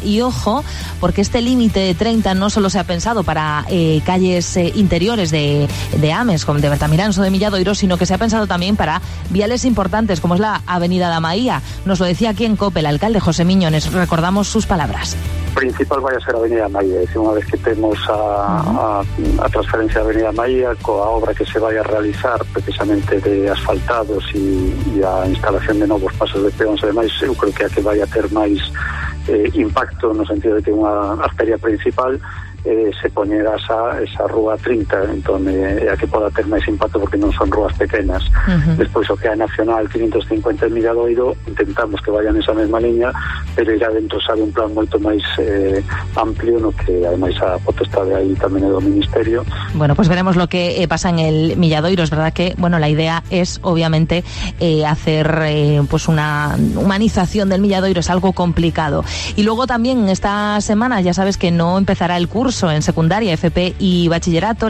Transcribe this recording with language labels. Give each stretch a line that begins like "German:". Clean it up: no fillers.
Spanish: Y ojo, porque este límite de 30 no solo se ha pensado para calles interiores de Ames, como de Bertamiranzo, de Milladoiro, sino que se ha pensado también para viales importantes, como es la Avenida da Maía. Nos lo decía aquí en COPE el alcalde José Miñones. Recordamos sus palabras. Principal vaya a ser Avenida da Maía. Una vez que tenemos
Galician: a transferencia de Avenida da Maía, con la obra que se vaya a realizar precisamente de asfaltados y a instalación de novos pasos de peóns e demais, eu creo que a que vai a ter máis impacto no sentido de que unha arteria principal se poñera esa rúa 30, entón a que poda ter máis impacto porque non son rúas pequenas. Despois o que a Nacional 550 en Milladoiro, intentamos que vayan esa mesma liña, pero irá dentro sabe un plan moito máis amplio, no que ademais a potestade aí tamén é do Ministerio.
Spanish: Bueno, pues veremos lo que pasa en el Milladoiro. Es verdad que, bueno, la idea es obviamente hacer pues una humanización del Milladoiro, es algo complicado. Y luego también esta semana ya sabes que no empezará el curso en secundaria, FP y bachillerato.